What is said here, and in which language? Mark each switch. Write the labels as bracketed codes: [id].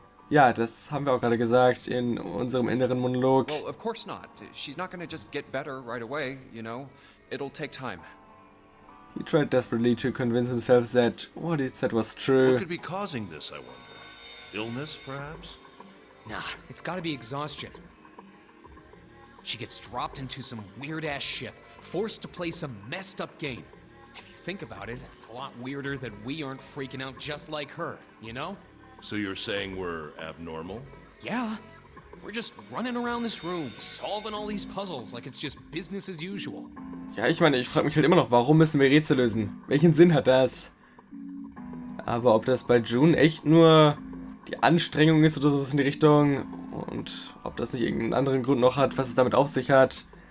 [de] Ja, das haben wir auch gerade gesagt in unserem inneren Monolog. [en] Well, of course not. She's not gonna just get better right away, you know. It'll take time. He tried desperately to convince himself that what he said was true. What could be causing this, I wonder? Illness, perhaps? Nah, it's gotta be exhaustion. She gets dropped into some weird-ass ship, forced to play some messed-up game. If you think about it, it's a lot weirder that we aren't freaking out just like her, you know? So you're saying we're abnormal? Yeah. We're just running around this room, solving all these puzzles like it's just business as usual. [de] Ja, ich meine, ich frage mich halt immer noch, warum müssen wir Rätsel lösen? Welchen Sinn hat das? Aber ob das bei June echt nur die Anstrengung ist oder sowas in die Richtung und ob das nicht irgendeinen anderen Grund noch hat, was es damit auf sich hat.